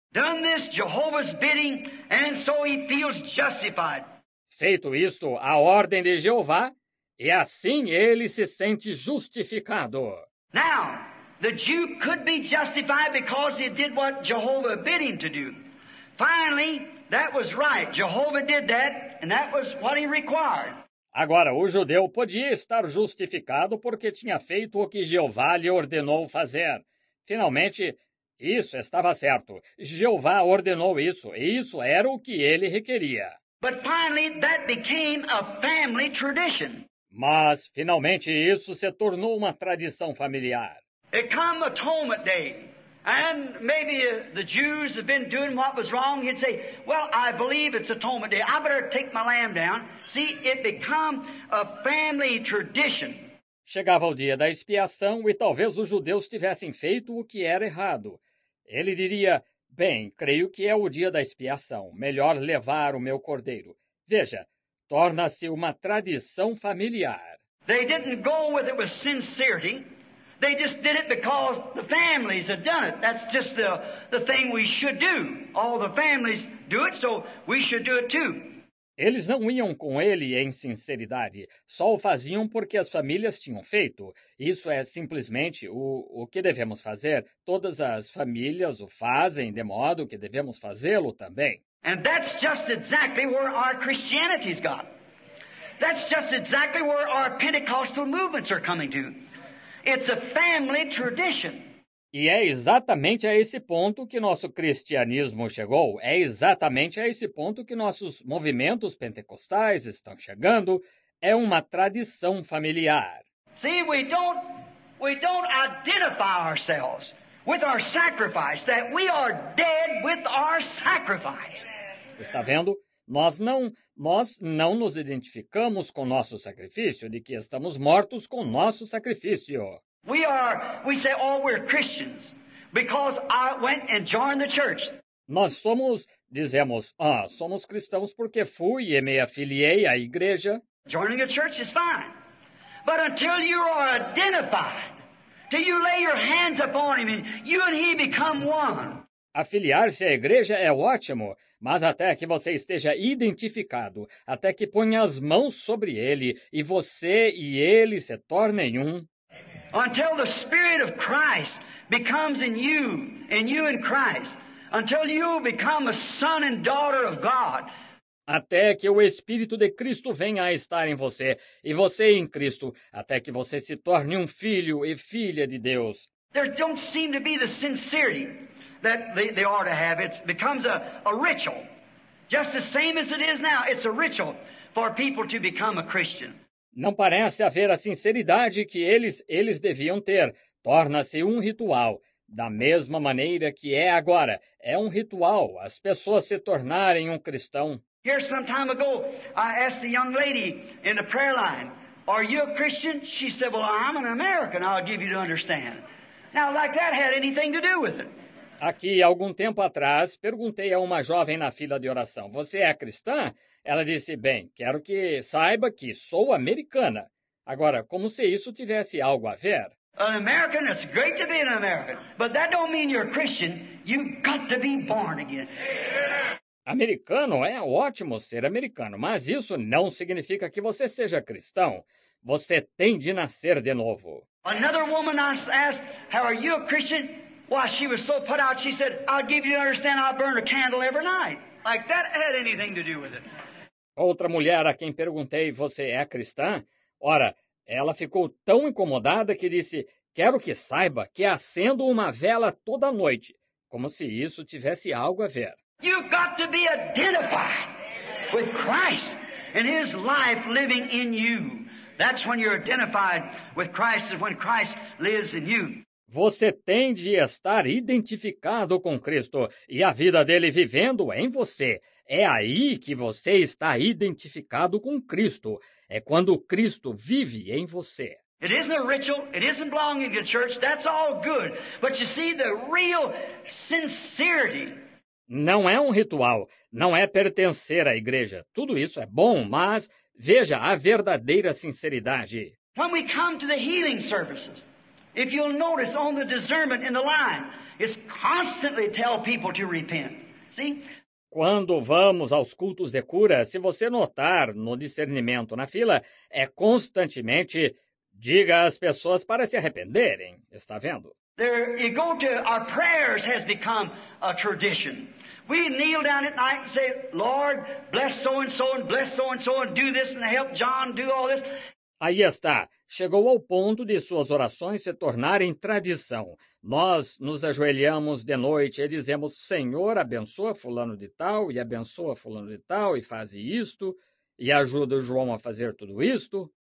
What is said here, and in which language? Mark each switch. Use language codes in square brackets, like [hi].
[en] Done this, Jehovah's bidding, and so he feels justified. [pt] Feito isto, a ordem de Jeová, e assim ele se sente justificado. [en] Now, the Jew could be justified because he did what Jehovah bid him to do. Finally, that was right. Jehovah did that, and that was what he required. [pt] Agora, o judeu podia estar justificado porque tinha feito o que Jeová lhe ordenou fazer. Finalmente, isso estava certo. Jeová ordenou isso, e isso era o que ele requeria. [en] But finally, that became a family tradition. [pt] Mas, finalmente, isso se tornou uma tradição familiar. [en] It came atonement day, and maybe the Jews have been doing what was wrong. He'd say, well, I believe it's atonement day. I better take my lamb down. See, it became a family tradition. [pt] Chegava o dia da expiação e talvez os judeus tivessem feito o que era errado. Ele diria, bem, creio que é o dia da expiação. Melhor levar o meu cordeiro. Veja, torna-se uma tradição familiar. [en] They didn't go with it with sincerity. They just did it because the families had done it. That's just the thing we should do. All the families do it, so we should do it too. [pt] Eles não iam com ele em sinceridade. Só o faziam porque as famílias tinham feito. Isso é simplesmente o que devemos fazer. Todas as famílias o fazem de modo que devemos fazê-lo também. [en] And that's just exactly where our Christianity's got. That's just exactly where our Pentecostal movements are coming to. It's a family tradition. [pt] E é exatamente a esse ponto que nosso cristianismo chegou. É exatamente a esse ponto que nossos movimentos pentecostais estão chegando. É uma tradição familiar. [en] See, we don't identify ourselves with our sacrifice, that we are dead with our sacrifice. [pt] Está vendo? Nós não nos identificamos com nosso sacrifício, de que estamos mortos com nosso sacrifício. [en] We're Christians because I went and joined the church. [pt] Nós somos, dizemos, somos cristãos porque fui e me afiliei à igreja. [en] Joining a church is fine. But until you are identified, till you lay your hands upon him and you and he become one. [pt] Afiliar-se à igreja é ótimo, mas até que você esteja identificado, até que ponha as mãos sobre ele e você e ele se tornem um. [en] Until the Spirit of Christ becomes in you, and you in Christ, until you become a son and daughter of God. [pt] Até que o Espírito de Cristo venha a estar em você, e você em Cristo, até que você se torne um filho e filha de Deus. [en] There don't seem to be the sincerity that they are to have. It becomes a ritual. Just the same as it is now, it's a ritual for people to become a Christian. [pt] Não parece haver a sinceridade que eles deviam ter. Torna-se um ritual, da mesma maneira que é agora. É um ritual, as pessoas se tornarem um cristão. [en] Here some time ago, I asked a young lady in the prayer line, are you a Christian? She said, well, I'm an American, I'll give you to understand. Now, like that had anything to do with it. [pt] Aqui, algum tempo atrás, perguntei a uma jovem na fila de oração, você é cristã? Ela disse, bem, quero que saiba que sou americana. Agora, como se isso tivesse algo a ver? [en] An American, it's great to be an American. But that don't mean you're a Christian. You've got to be born again. [pt] Americano é ótimo ser americano, mas isso não significa que você seja cristão. Você tem de nascer de novo. [en] Another woman asked, how are you a Christian? Why, she was so put out, she said, I'll give you to understand I'll burn a candle every night. Like that had anything to do with it. [pt] Outra mulher a quem perguntei, você é cristã? Ora, ela ficou tão incomodada que disse, quero que saiba que acendo uma vela toda noite, como se isso tivesse algo a ver. [en] You've got to be identified with Christ and his life living in you. That's when you're identified with Christ, is when Christ lives in you. [pt] Você tem de estar identificado com Cristo e a vida dele vivendo em você. É aí que você está identificado com Cristo. É quando Cristo vive em você. [en] It isn't a ritual. It isn't belonging to church. That's all good. But you see, the real sincerity. [pt] Não é um ritual. Não é pertencer à igreja. Tudo isso é bom, mas veja a verdadeira sinceridade. [en] When we come to the healing services, if you'll notice on the discernment in the line, it's constantly tell people to repent. See? [pt] Quando vamos aos cultos de cura, se você notar no discernimento na fila, é constantemente diga às pessoas para se arrependerem. Está vendo? [en] There you go to our prayers has become a tradition. We kneel down at night and say, Lord, bless so and so and bless so and so and do this and help John do all this. [pt] Aí está. Chegou ao ponto de suas orações se tornarem tradição. Nós nos ajoelhamos de noite e dizemos, Senhor, abençoa fulano de tal e abençoa fulano de tal e faz isto e ajuda o João a fazer tudo isto.